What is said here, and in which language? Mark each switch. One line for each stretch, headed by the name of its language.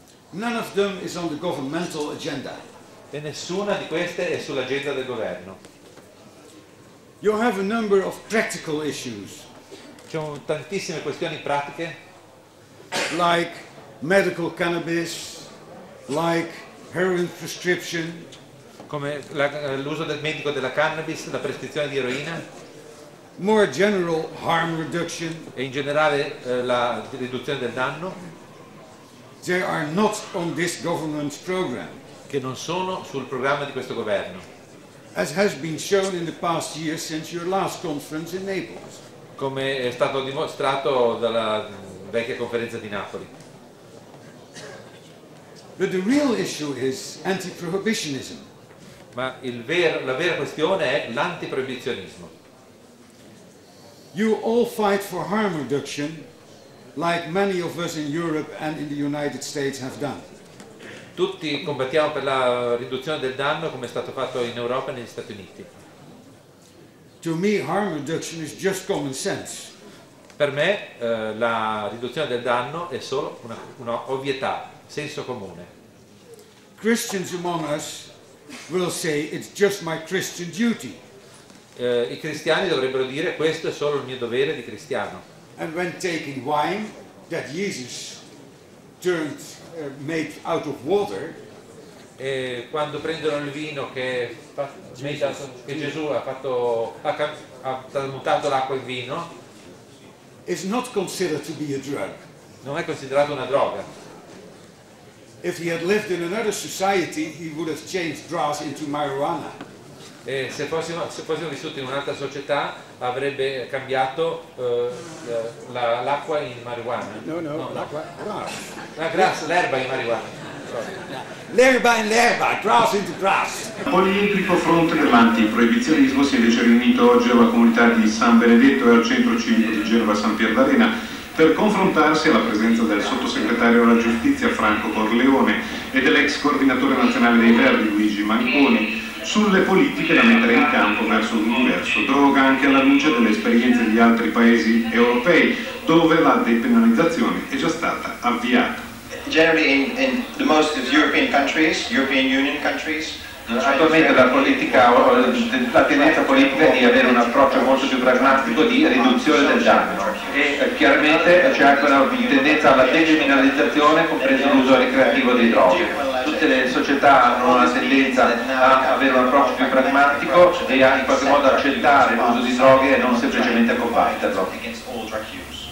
English: None of them is on the governmental agenda.
Italian: E nessuna di queste è sull'agenda del governo.
English: You have a number of practical issues.
Italian: Ci sono tantissime questioni pratiche,
English: like medical cannabis, like heroin prescription,
Italian: come l'uso del medico della cannabis, la prescrizione di eroina,
English: more general harm reduction.
Italian: E in generale la riduzione del danno.
English: They are not on this government's program.
Italian: Che non sono sul programma di questo governo.
English: As has been shown in the past year since your last conference in Naples.
Italian: Come è stato dimostrato dalla vecchia conferenza di Napoli.
English: But the real issue is anti-prohibitionism.
Italian: Ma la vera questione è l'antiproibizionismo.
English: You all fight for harm reduction, like many of us in Europe and in the United States have done.
Italian: Tutti combattiamo per la riduzione del danno, come è stato fatto in Europa e negli Stati Uniti.
English: To me, harm reduction is just common sense.
Italian: Per me, la riduzione del danno è solo una ovvietà, senso comune.
English: Christians among us will say it's just my Christian duty.
Italian: I cristiani dovrebbero dire questo è solo il mio dovere di cristiano.
English: And when taking wine that Jesus turned made out of water,
Italian: e quando prendono il vino che Gesù ha trasmutato l'acqua in vino,
English: is not considered to be a drug.
Italian: Non è considerato una droga.
English: If he had lived in another society, he would have changed grass into marijuana.
Italian: E se fossimo vissuti in un'altra società, avrebbe cambiato l'acqua in marijuana. No, l'acqua, grass. L'erba in marijuana. L'erba in l'erba,
English: grass into grass.
Italian: Poliedrico fronte dell'antiproibizionismo si è invece riunito oggi alla comunità di San Benedetto e al centro civico di Genova San Pier d'Arena per confrontarsi alla presenza del sottosegretario alla giustizia Franco Corleone e dell'ex coordinatore nazionale dei Verdi Luigi Manconi sulle politiche da mettere in campo verso un universo droga, anche alla luce delle esperienze di altri paesi europei dove la depenalizzazione è già stata avviata.
English: Generally in the most of European countries, European Union countries,
Italian: attualmente la politica, la tendenza politica è di avere un approccio molto più pragmatico di riduzione del danno e chiaramente c'è anche una tendenza alla decriminalizzazione, compreso l'uso ricreativo dei droghe. Tutte le società hanno una tendenza a avere un approccio più pragmatico e a in qualche modo accettare l'uso di droghe e non semplicemente a combatterlo.